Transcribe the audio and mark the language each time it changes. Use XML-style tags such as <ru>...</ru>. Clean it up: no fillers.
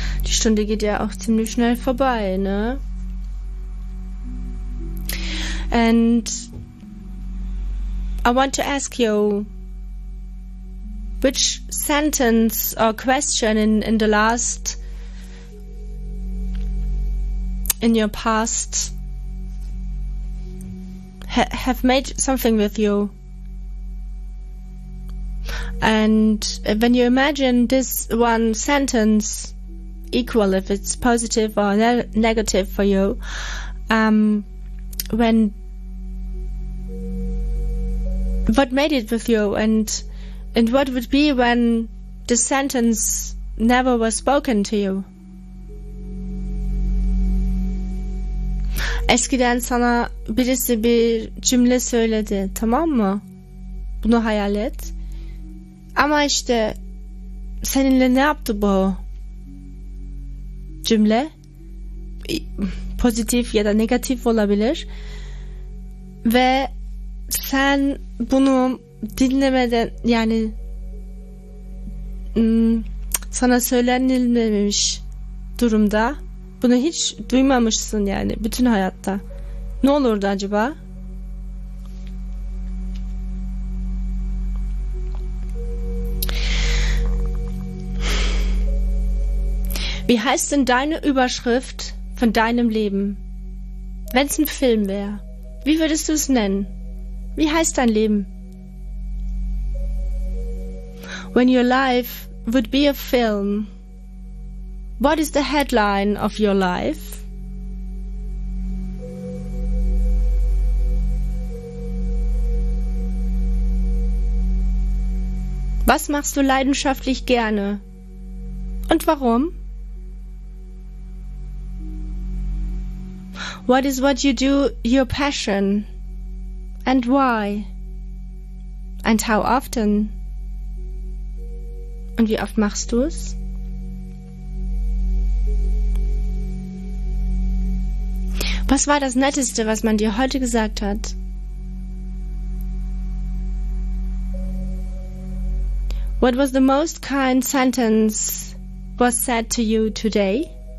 <de>Stunde geht ja auch ziemlich schnell vorbei, ne?</de> <en>And I want to ask you, which sentence or question in the last, in your past, have made something with you? And when you imagine this one sentence, equal if it's positive or negative for you, when what made it with you, and what would be when the sentence never was spoken to you?</en> <tr>Eskiden sana birisi bir cümle söyledi, tamam mı? Bunu hayal et. Ama işte seninle ne yaptı bu cümle? Pozitif ya da negatif olabilir. Ve sen bunu dinlemeden, yani sana söylenilmemiş durumda bunu hiç duymamışsın, yani bütün hayatta. Ne olurdu acaba?</tr> <de>Wie heißt denn deine Überschrift von deinem Leben? Wenn es ein Film wäre, wie würdest du es nennen? Wie heißt dein Leben?</de> <en>When your life would be a film, what is the headline of your life?</en> <de>Was machst du leidenschaftlich gerne? Und warum?</de> <en>What is what you do your passion? And why? And how often?</en> <de>Und wie oft machst du es? Was war das Netteste, was man dir heute gesagt hat?</de> <en>What was the most kind sentence was said to you today?</en>